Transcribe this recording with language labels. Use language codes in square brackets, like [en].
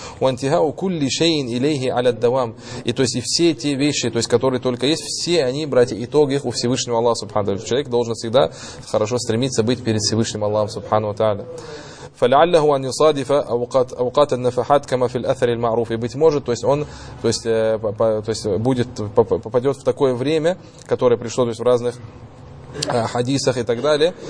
[ar] وَانْتِهَاءُ كُلِّ شَيْءٍ إِلَيْهِ عَلَى الدَّوَامِ. [ru] И то есть и все те вещи, то есть которые только есть, все они, братья, итог их у Всевышнего Аллаха Субхану Тааля. Человек должен всегда хорошо стремиться быть перед Всевышним Аллахом Субхану Тааля. [ar] فلعله أن يصادف أوقات النفحات كما في الأثر المعروف. [ru] И быть может, то есть он, то есть будет, попадет в такое время, которое пришло, то есть в разных хадисах и так далее.